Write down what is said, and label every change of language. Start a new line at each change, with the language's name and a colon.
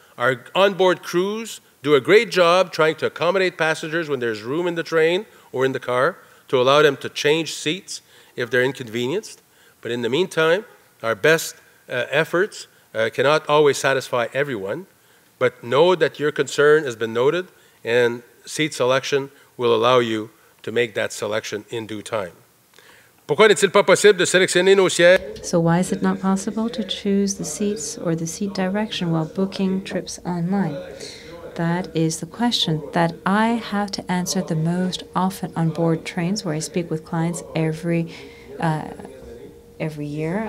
English: Our onboard crews do a great job trying to accommodate passengers when there's room in the train or in the car to allow them to change seats if they're inconvenienced. But in the meantime, our best efforts cannot always satisfy everyone. But know that your concern has been noted, and seat selection will allow you to make that selection in due time.
French: Pourquoi n'est-il pas possible de sélectionner nos sièges?
English: So why is it not possible to choose the seats or the seat direction while booking trips online? That is the question that I have to answer the most often on board trains, where I speak with clients every year.